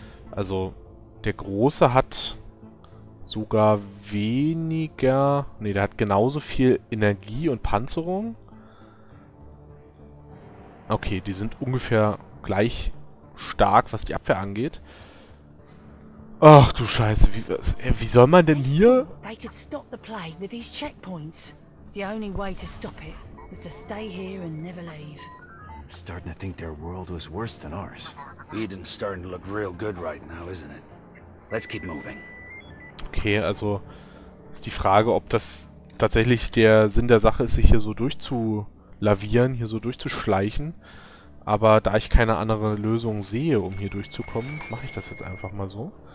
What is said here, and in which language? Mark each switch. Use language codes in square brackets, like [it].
[de] Also, der große hat sogar weniger... Ne, der hat genauso viel Energie und Panzerung. Okay, die sind ungefähr gleich stark, was die Abwehr angeht. Ach du Scheiße, wie soll man denn hier? [en] They could stop the plague with these checkpoints. The only way to stop it was to stay here and never leave. I'm starting to think their world was worse than ours. Eden's starting to look real good right now, isn't it? Let's keep moving. [de] Okay, also ist die Frage, ob das tatsächlich der Sinn der Sache ist, sich hier so durchzulavieren, hier so durchzuschleichen. Aber da ich keine andere Lösung sehe, um hier durchzukommen, mache ich das jetzt einfach mal so.